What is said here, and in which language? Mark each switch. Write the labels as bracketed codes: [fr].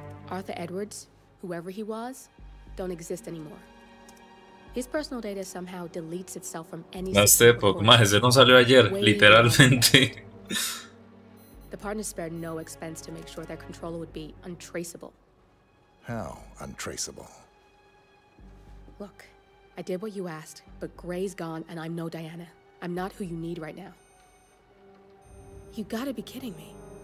[en] Arthur Edwards, whoever he was, don't exist anymore. His personal data somehow deletes itself from any. [es] No sé, porque más, ese no salió ayer, literalmente. [en] The partners spared no expense to make sure their controller would be untraceable. How untraceable? Look, I did what you asked, but Gray's gone, and I'm no Diana. I'm not who you need right now. You gotta be kidding me.